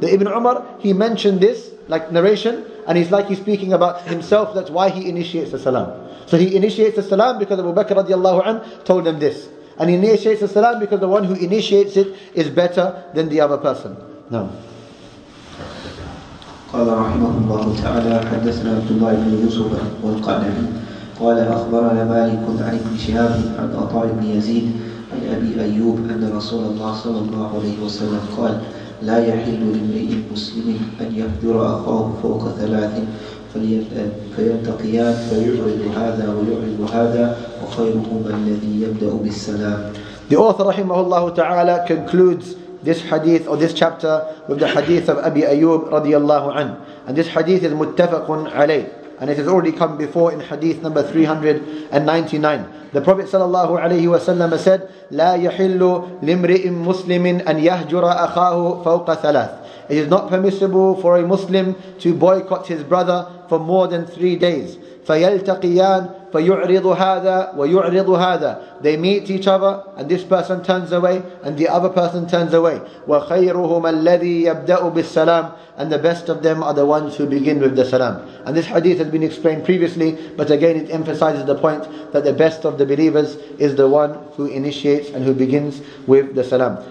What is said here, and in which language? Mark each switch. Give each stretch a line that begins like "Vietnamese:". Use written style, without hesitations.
English: The Ibn Umar, he mentioned this, like narration, and he's like he's speaking about himself, that's why he initiates the salam. So he initiates the salam because Abu Bakr radiallahu anhu told him this. And he initiates the salam because the one who initiates it is better than the other person. No.
Arabic: قال رحمه الله تعالى حدثنا عبد الله بن يوسف والقعنبي قال أخبرنا مالك عن ابن شهاب عن عطاء بن يزيد عن أبي أيوب أن رسول الله صلى الله عليه وسلم قال لا يحل لامرئ مسلم أن يهجر أخاه فوق ثلاث فيلتقيان فيعرض هذا ويعرض هذا وخيرهما الذي يبدأ بالسلام.
English: The author rahimahullah ta'ala concludes this hadith or this chapter with the hadith of Abi Ayyub radiallahu anhu. And this hadith is muttafaqun alayh. And it has already come before in hadith number 399. The Prophet sallallahu alayhi wa sallam said,
Arabic: لا يحل لمرئ مسلم أن يهجر أخاه فوق ثلاث.
English: It is not permissible for a Muslim to boycott his brother for more than 3 days.
Arabic: فيلتقيان فيعرض هذا ويعرض هذا.
English: They meet each other, and this person turns away, and the other person turns away.
Arabic: وخيرهما الذي يبدأ بالسلام.
English: And the best of them are the ones who begin with the salam. And this hadith has been explained previously, but again it emphasizes the point that the best of the believers is the one who initiates and who begins with the salam.